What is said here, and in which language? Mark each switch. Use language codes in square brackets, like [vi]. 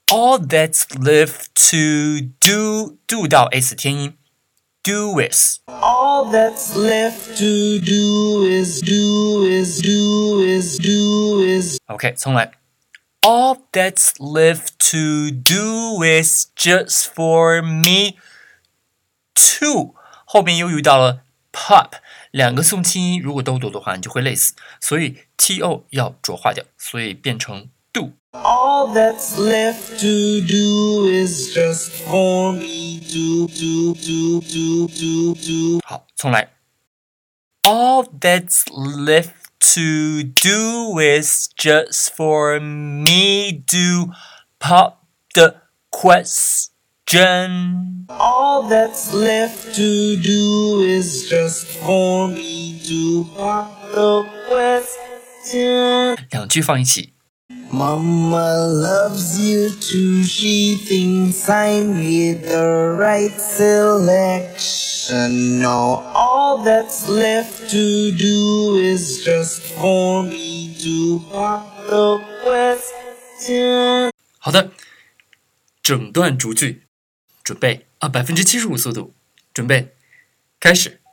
[en] All that's left to do do 到 S 天音 D do is. All that's left to do is, do is, do is, do is. [zh] Okay, 重来。 [en] All that's left to do is just for me to. [zh] 后面又遇到了 pop, 两个送清音如果都读的话你就会累死。所以 to 要浊化掉，所以变成 do. [en] All that's left to do is just for me to do, do, do, do, do. [zh] 好，重来。 [en] All that's left to do is just for me to pop the question. All that's left to do is just for me to pop the question. [zh] 两句放一起。 [en] Mama loves you too, she thinks I'm with the right selection. No, all that's left to do is just for me to pop the question. [zh] 好的，整段逐句，准备啊，75%速度，准备，开始。